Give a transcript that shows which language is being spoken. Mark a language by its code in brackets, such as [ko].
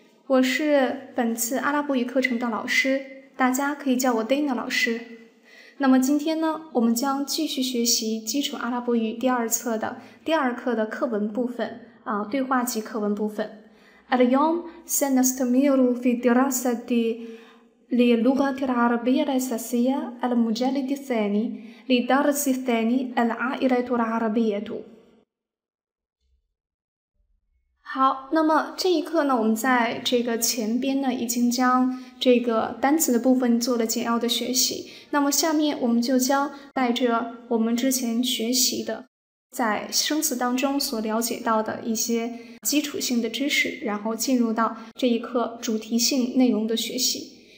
[zh] 我是本次阿拉伯语课程的老师，大家可以叫我 Dana 老师。那么今天呢，我们将继续学习基础阿拉伯语第二册的第二课的课文部分啊，对话及课文部分。 [ar] اليوم سنستمر في دراسة للغة العربية الأساسية المجلد الثاني لدرس الثاني العائلة العربية。 [zh] 好，那么这一课呢，我们在这个前边呢已经将这个单词的部分做了简要的学习，那么下面我们就将带着我们之前学习的在生词当中所了解到的一些基础性的知识，然后进入到这一课主题性内容的学习。